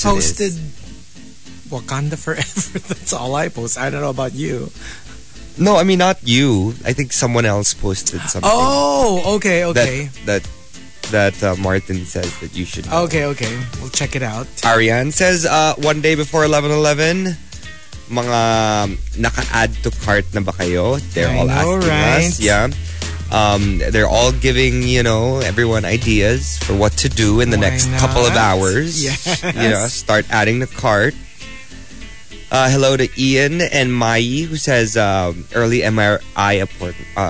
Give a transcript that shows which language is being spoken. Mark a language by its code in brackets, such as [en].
[en] I just posted Wakanda Forever. That's all I post. I don't know about you. No, I mean, not you. I think someone else posted something. Oh, okay, okay. That Martin says that you should know. Okay, okay. We'll check it out. Ariane says, one day before 11:11... [tl] mga naka-add to cart na ba kayo? [en] They're all asking us. Yeah. They're all giving, you know, everyone ideas for what to do in the next couple of hours. Yes. You know, start adding the cart. Hello to Ian and Mai, who says, early MRI appointment.